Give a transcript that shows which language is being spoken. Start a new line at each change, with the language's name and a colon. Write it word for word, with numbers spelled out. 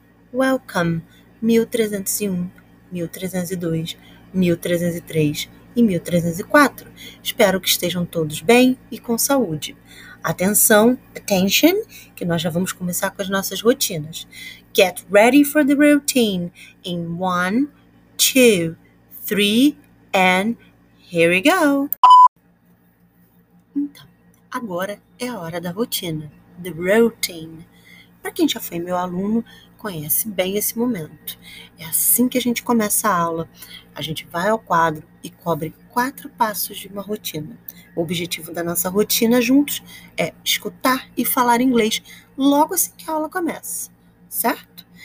Portuguese: Welcome, mil trezentos e um, mil trezentos e dois, mil trezentos e três e mil trezentos e quatro. Espero que estejam todos bem e com saúde. Atenção, attention, que nós já vamos começar com as nossas rotinas.
English: Get ready for the routine in one, two, three, and here we go.
Portuguese: Então, agora é a hora da rotina,
English: the routine.
Portuguese: Para quem já foi meu aluno, conhece bem esse momento. É assim que a gente começa a aula. A gente vai ao quadro e cobre quatro passos de uma rotina. O objetivo da nossa rotina juntos é escutar e falar inglês logo assim que a aula começa, certo?